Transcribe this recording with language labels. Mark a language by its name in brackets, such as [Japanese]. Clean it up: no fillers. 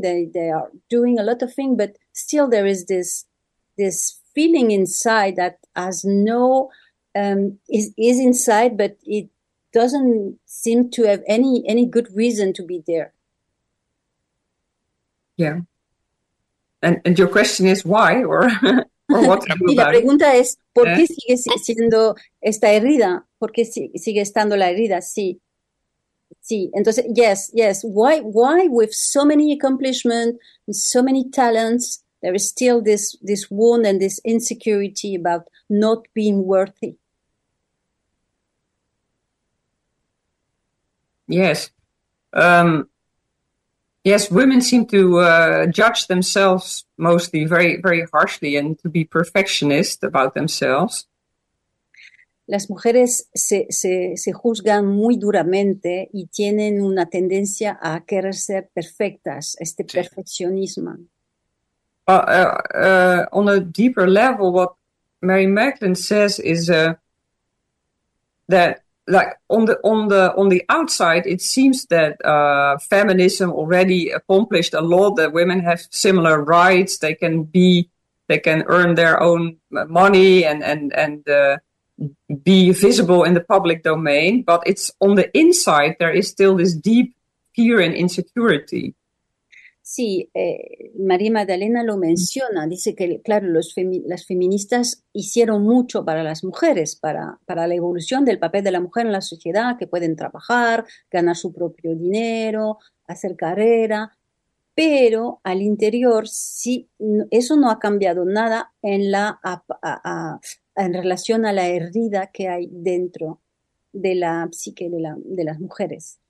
[English] They are doing a lot of things, but still there is this feeling inside that has no is inside, but it doesn't seem to have any good reason to be there. Yeah. And your question is why or what to do [Spanish] Y la [English] about it? [Spanish] pregunta es, ¿por qué sigue siendo esta herida? ¿Por qué sigue estando la herida? Sí. Entonces, yes. [English] Why with so many accomplishments and so many talents, there is still this wound and this insecurity about not being worthy? Yes. Yes, women seem to judge themselves mostly very, very harshly and to be perfectionist about themselves. [Spanish] Las mujeres se juzgan muy duramente y tienen una tendencia a querer ser perfectas, este Sí. perfeccionismo. [English] On a deeper level, what Mary Magdalene says is that. Like on the outside, it seems that feminism already accomplished a lot, that women have similar rights, they can earn their own money and be visible in the public domain. But it's on the inside, there is still this deep fear and insecurity. [Spanish] Sí, María Magdalena lo menciona, dice que, claro, las feministas hicieron mucho para las mujeres, para la evolución del papel de la mujer en la sociedad, que pueden trabajar, ganar su propio dinero, hacer carrera, pero al interior, sí, eso no ha cambiado nada en en relación a la herida que hay dentro de la psique de las mujeres.